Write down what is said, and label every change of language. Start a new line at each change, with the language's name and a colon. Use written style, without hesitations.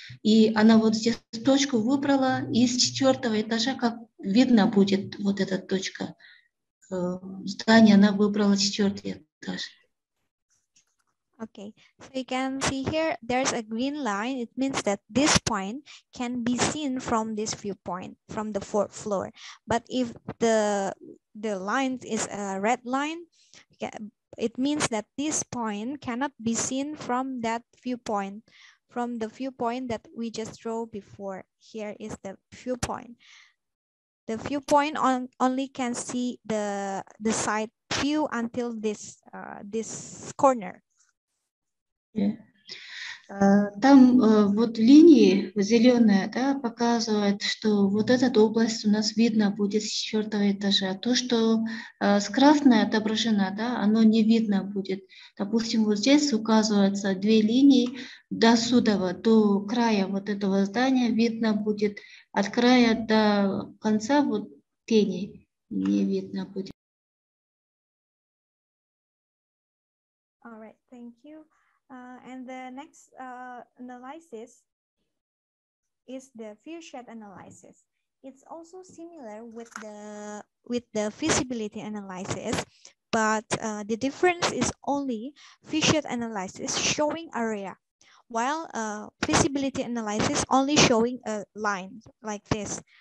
Russian: И она вот здесь точку выбрала из четвертого этажа, как видно будет вот эта точка здания, она выбрала четвертый этаж.
English: Okay, so you can see here, there's a green line. It means that this point can be seen from this viewpoint, from the fourth floor. But if the line is a red line, it means that this point cannot be seen from that viewpoint, from the viewpoint that we just drew before. Here is the viewpoint. The viewpoint only can see the side view until this corner. Yeah.
Russian: Там вот линии зеленые, да, показывают, что вот эта область у нас видно будет с четвертого этажа. То, что с красной отображено, да, оно не видно будет. Допустим, вот здесь указываются две линии до сюда, до края вот этого здания видно будет. От края до конца вот тени не видно будет.
English: All right, thank you. And the next analysis is the view shed analysis. It's also similar with the visibility analysis, but the difference is only view shed analysis showing area, while visibility analysis only showing a line like this.